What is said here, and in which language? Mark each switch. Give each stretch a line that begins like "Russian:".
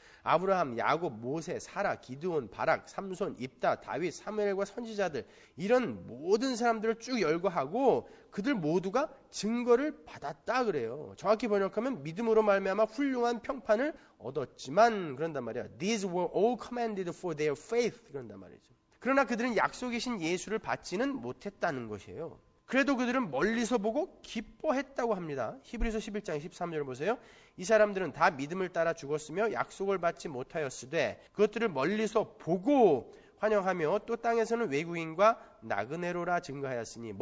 Korean: 아브라함, 야곱, 모세, 사라, 기드온, 바락, 삼손, 입다, 다윗, 사무엘과 선지자들 이런 모든 사람들을 쭉 열거하고 그들 모두가 증거를 받았다 그래요. 정확히 번역하면 믿음으로 말미암아 훌륭한 평판을 얻었지만 그런단 말이야.
English: These were all commended for their faith
Korean: 그런단 말이죠. 그러나 그들은 약속이신 예수를 받지는 못했다는 것이에요. 그래도 그들은 멀리서 보고 기뻐했다고 합니다. 히브리서 11장 13절 보세요. 이 사람들은 다 믿음을 따라 죽었으며 약속을 받지 못하였으되 그것들을 멀리서 보고 환영하며 또 땅에서는 외국인과 나그네로라 증거하였으니.